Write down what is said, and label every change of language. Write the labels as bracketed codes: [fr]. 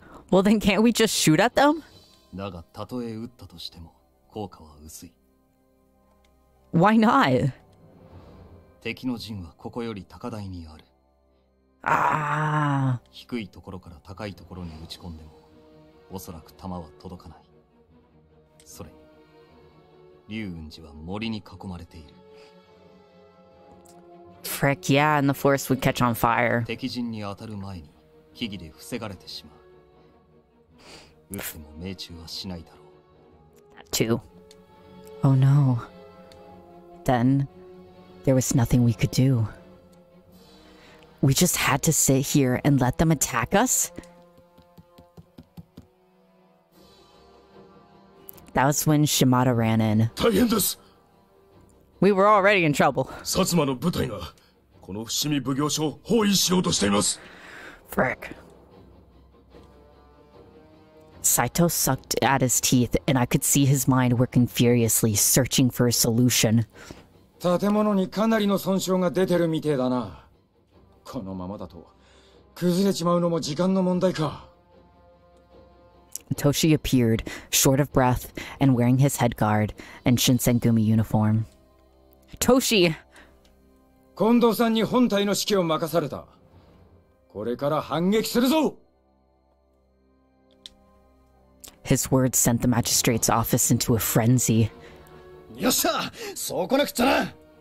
[en] Well then, can't we just shoot at them? [ja] だがたとえ撃ったとしても効果は薄い。 [en] Why not? [ja] 敵の陣はここより高台にある。ああ。低いところから高いところに打ち込んでも、おそらく弾は届かない。それ、龍雲寺は森に囲まれている。 [en] Frick yeah, and the forest would catch on fire. [ja] 敵陣に当たる前に木々で防がれてしまう。撃つも命中はしないだろう。 [en] Two. Oh no. Then. There was nothing we could do. We just had to sit here and let them attack us? That was when Shimada ran in. [ja] 大変です! [en] We were already in trouble. [ja] 薩摩の部隊がこの伏見奉行所を包囲しようとしています! [en] Frick. Saito sucked at his teeth and I could see his mind working furiously, searching for a solution. [ja] 建物にかなりの損傷が出てるみてえだな。このままだと崩れちまうのも時間の問題か。Toshi [en] appeared, short of breath, and wearing his head guard and Shinsengumi uniform. Toshi! [ja] 近藤さんに本体の指揮を任された。これから反撃するぞ! [en] His words sent the magistrate's office into a frenzy. [ja] よっしゃ!そうこなくっちゃな!